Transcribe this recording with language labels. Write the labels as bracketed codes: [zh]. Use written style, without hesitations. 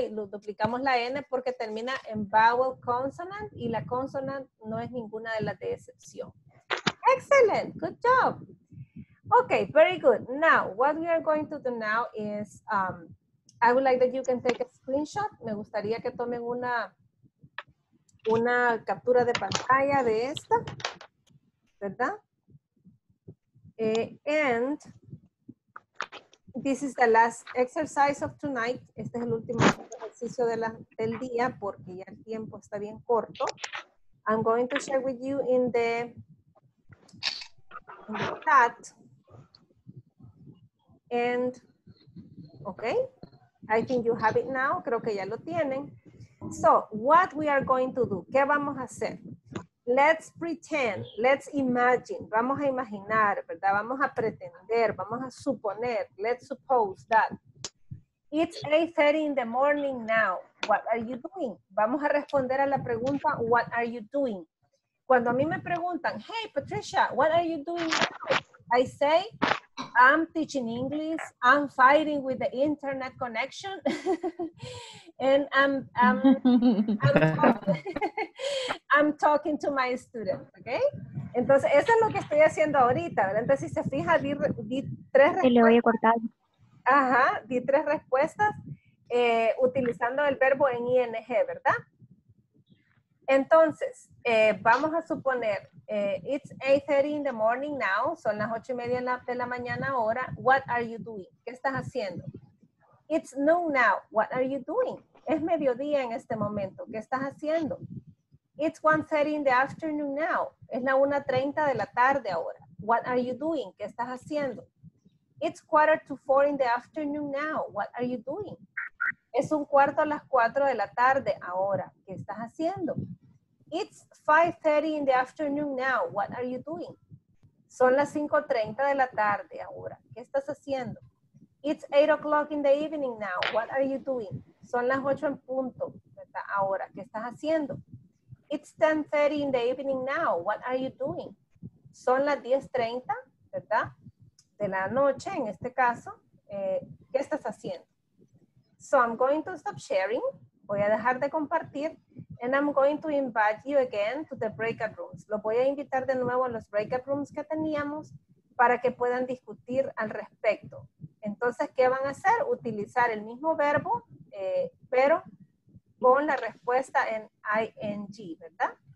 [es] Y duplicamos la N porque termina en vowel consonant y la consonant no es ninguna de las de excepción. [en] Excellent, good job. Ok, very good. Now, what we are going to do now is... I would like that you can take a screenshot. [es] Me gustaría que tomen una captura de pantalla de esta, ¿verdad? [en] And this is the last exercise of tonight. [es] Este es el último ejercicio del día porque ya el tiempo está bien corto. [en] I'm going to share with you in the chat. And, okay, I think you have it now. [es] Creo que ya lo tienen. [en] So, what we are going to do? [es] ¿Qué vamos a hacer? [en] Let's pretend, let's imagine. [es] Vamos a imaginar, ¿verdad? Vamos a pretender, vamos a suponer. [en] Let's suppose that. It's 8:30 in the morning now. What are you doing? [es] Vamos a responder a la pregunta, [en] what are you doing? [es] Cuando a mí me preguntan, [en] hey, Patricia, what are you doing now? I say, I'm teaching English, I'm fighting with the internet connection, and I'm talking to my students, okay? [es] Entonces, eso es lo que estoy haciendo ahorita, ¿verdad? Entonces, si se fija, di tres respuestas. Le voy a cortar. Ajá, di tres respuestas utilizando el verbo en ing, ¿verdad? Entonces, vamos a suponer, [en] it's 8:30 in the morning now, [es] son las 8:30 de la mañana ahora. [en] What are you doing? [es] ¿Qué estás haciendo? [en] It's noon now, what are you doing? [es] Es mediodía en este momento, ¿qué estás haciendo? [en] It's 1:30 in the afternoon now, [es] es la 1:30 de la tarde ahora. [en] What are you doing? [es] ¿Qué estás haciendo? [en] It's 3:45 in the afternoon now, what are you doing? [es] Es un cuarto a las 4 de la tarde ahora, ¿qué estás haciendo? [en] It's 5:30 in the afternoon now, what are you doing? [es] Son las 5:30 de la tarde ahora, ¿qué estás haciendo? [en] It's 8:00 in the evening now, what are you doing? [es] Son las 8 en punto, ¿verdad? Ahora, ¿qué estás haciendo? [en] It's 10:30 in the evening now, what are you doing? [es] Son las 10:30, ¿verdad? De la noche, en este caso, ¿qué estás haciendo? [en] So I'm going to stop sharing, [es] voy a dejar de compartir, [en] and I'm going to invite you again to the breakout rooms. [es] Lo voy a invitar de nuevo a los breakout rooms que teníamos para que puedan discutir al respecto. Entonces, ¿qué van a hacer? Utilizar el mismo verbo, pero con la respuesta en ing, ¿verdad?